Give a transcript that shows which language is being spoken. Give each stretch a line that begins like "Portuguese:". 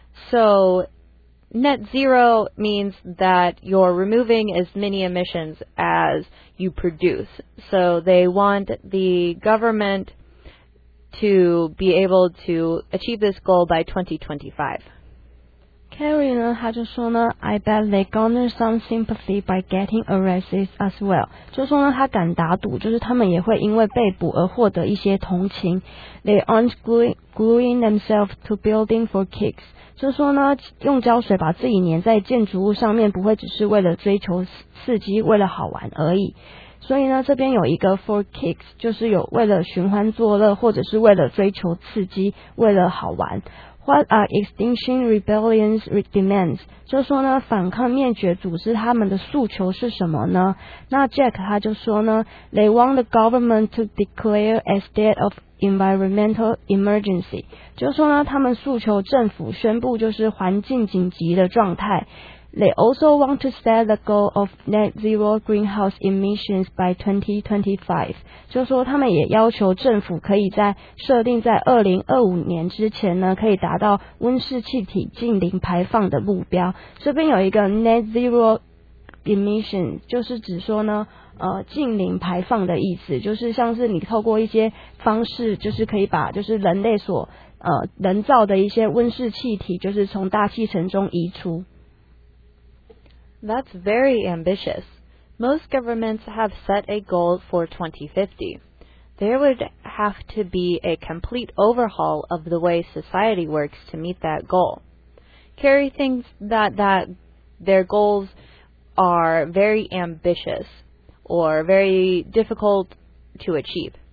English: So net zero means that you're removing as many emissions as you produce. So they want the government to be able to achieve this goal by 2025. Carrie
Chinese: 呢，她就说呢
English: ，I bet they garner some sympathy by getting arrested as well。
Chinese: 就说呢，她敢打赌，就是他们也会因为被捕而获得一些同情。
English: They aren't gluing themselves to building for kicks。
Chinese: 就说呢，用胶水把自己粘在建筑物上面，不会只是为了追求刺激，为了好玩而已。所以呢，这边有一个
English: for kicks，
Chinese: 就是有为了寻欢作乐，或者是为了追求刺激，为了好玩。
English: What are Extinction Rebellion's demands？
Chinese: 就说呢，反抗灭绝组织他们的诉求是什么呢？
English: 那 Jack
Chinese: 他就说呢
English: ，They want the government to declare a state of environmental emergency。
Chinese: 就说呢，他们诉求政府宣布就是环境紧急的状态。
English: They also want to set the goal of net zero greenhouse emissions by 2025.
Chinese: 就说他们也要求政府可以在设定在2025年之前呢，可以达到温室气体净零排放的目标。这边有一个 net zero emission， 就是指说呢，净零排放的意思，就是像是你透过一些方式，就是可以把就是人类所人造的一些温室气体，就是从大气层中移除。
English: That's very ambitious. Most governments have set a goal for 2050. There would have to be a complete overhaul of the way society works to meet that goal. Carrie thinks that their goals are very ambitious or very difficult to achieve.